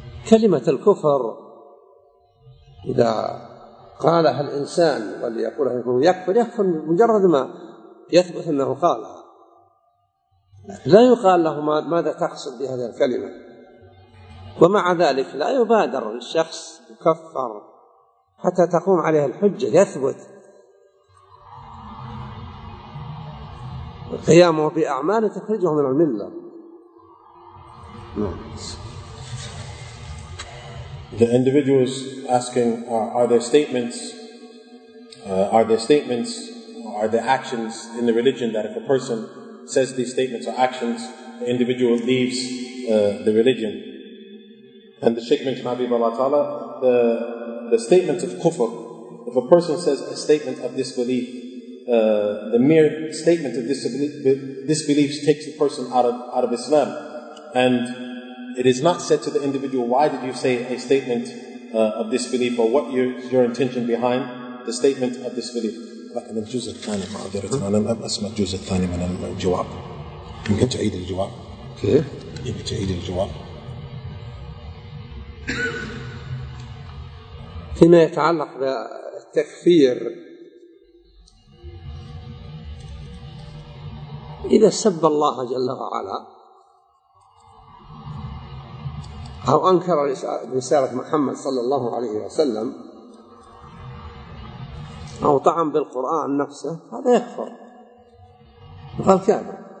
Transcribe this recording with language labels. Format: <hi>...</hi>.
<ar>كلمة الكفر إذا قالها الإنسان وليقولها يكفر مجرد ما يثبت أنه قالها، لا يقال له ماذا تقصد بهذه الكلمة. ومع ذلك لا يبادر الشخص يكفر حتى تقوم عليه الحجة يثبت قيامه بأعمال تخرجه من الملة.</ar> <en>The individuals asking are there actions in the religion that if a person says these statements or actions, the individual leaves the religion. And the Sheikh mentioned Habib Allah Ta'ala, the statement of kufr, if a person says a statement of disbelief, the mere statement of disbelief takes a person out of Islam. And it is not said to the individual, why did you say a statement of disbelief, or what is your intention behind the statement of disbelief.</en> <ar>لكن الجزء الثاني ما أدرت أنا لم أسمع الجزء الثاني من الجواب. يمكن تعيد الجواب. كيف؟ يمكن تعيد الجواب. فيما يتعلق بالتكفير، إذا سب الله جل وعلا أو أنكر رسالة محمد صلى الله عليه وسلم أو طعن بالقرآن نفسه، هذا يكفر، هذا الكافر.</ar>